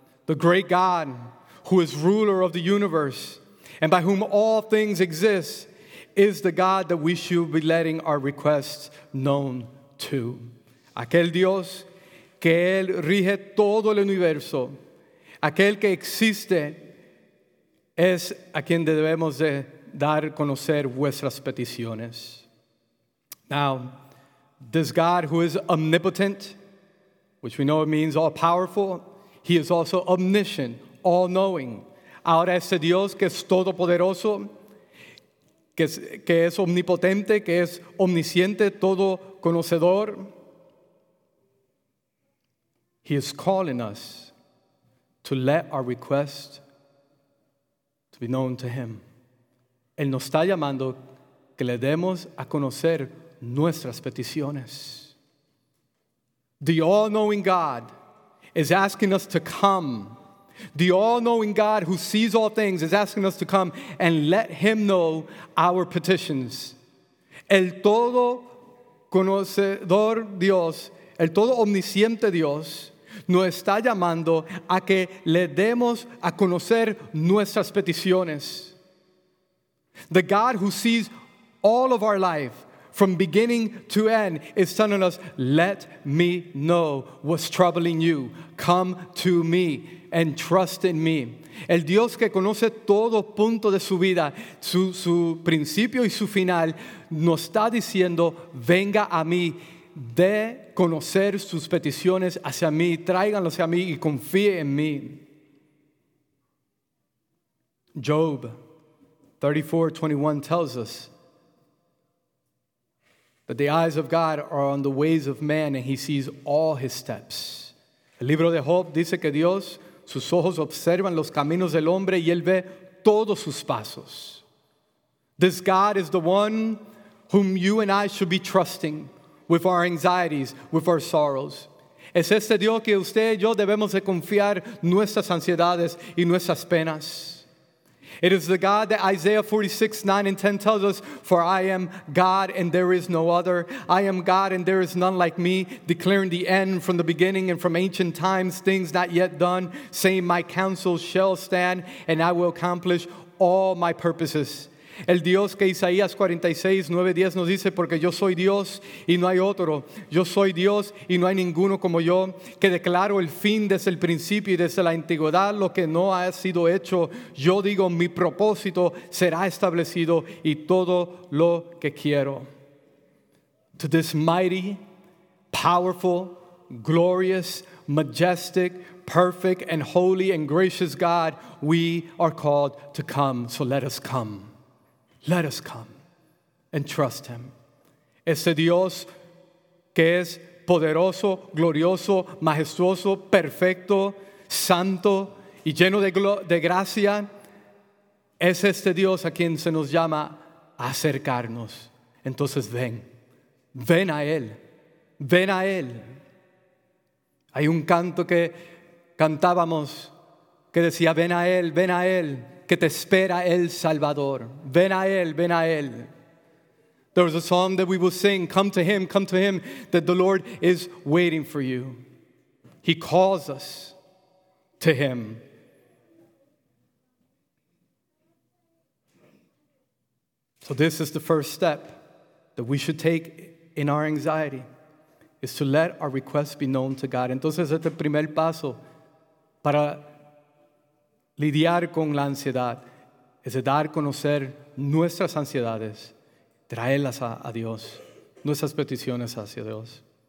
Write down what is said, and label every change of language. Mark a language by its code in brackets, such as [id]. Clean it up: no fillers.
[en] The great God who is ruler of the universe and by whom all things exist is the God that we should be letting our requests known to. [es] Aquel Dios que Él rige todo el universo, aquel que existe, es a quien debemos de dar conocer vuestras peticiones. [en] Now, this God who is omnipotent, which we know it means all powerful, he is also omniscient, all-knowing. [es] Ahora ese Dios que es todopoderoso, que es omnipotente, que es omnisciente, todo conocedor. [en] He is calling us to let our request to be known to him. [es] Él nos está llamando que le demos a conocer nuestras peticiones. [en] The all-knowing God is asking us to come. The all-knowing God who sees all things is asking us to come and let him know our petitions. [es] El todo conocedor Dios, el todo omnisciente Dios, nos está llamando a que le demos a conocer nuestras peticiones. [en] The God who sees all of our life from beginning to end is telling us, let me know what's troubling you. Come to me and trust in me. [es] El Dios que conoce todo punto de su vida, su principio y su final, nos está diciendo, venga a mí, de conocer sus peticiones hacia mí, tráiganlos hacia mí y confíe en mí. [en] Job 34:21 tells us that the eyes of God are on the ways of man and he sees all his steps. [es] El libro de Job dice que Dios, sus ojos observan los caminos del hombre y él ve todos sus pasos. [en] This God is the one whom you and I should be trusting with our anxieties, with our sorrows. [es] Es este Dios que usted y yo debemos de confiar nuestras ansiedades y nuestras penas. [en] It is the God that Isaiah 46:9-10 tells us, for I am God and there is no other. I am God and there is none like me, declaring the end from the beginning and from ancient times, things not yet done, saying my counsel shall stand and I will accomplish all my purposes. [es] El Dios que Isaías 46:9-10 nos dice, porque yo soy Dios y no hay otro. Yo soy Dios y no hay ninguno como yo, que declaro el fin desde el principio y desde la antigüedad lo que no ha sido hecho. Yo digo, mi propósito será establecido y todo lo que quiero. [en] To this mighty, powerful, glorious, majestic, perfect, and holy and gracious God, we are called to come. So let us come. Let us come and trust him. [es] Ese Dios que es poderoso, glorioso, majestuoso, perfecto, santo y lleno de gracia, es este Dios a quien se nos llama a acercarnos. Entonces ven, ven a él, ven a él. Hay un canto que cantábamos que decía, ven a él, ven a él. Que te espera el Salvador. Ven a él, ven a él. [en] There was a song that we would sing, come to him, that the Lord is waiting for you. He calls us to him. So this is the first step that we should take in our anxiety, is to let our requests be known to God. [es] Entonces este primer paso para lidiar con la ansiedad es de dar a conocer nuestras ansiedades, traerlas a Dios, nuestras peticiones hacia Dios.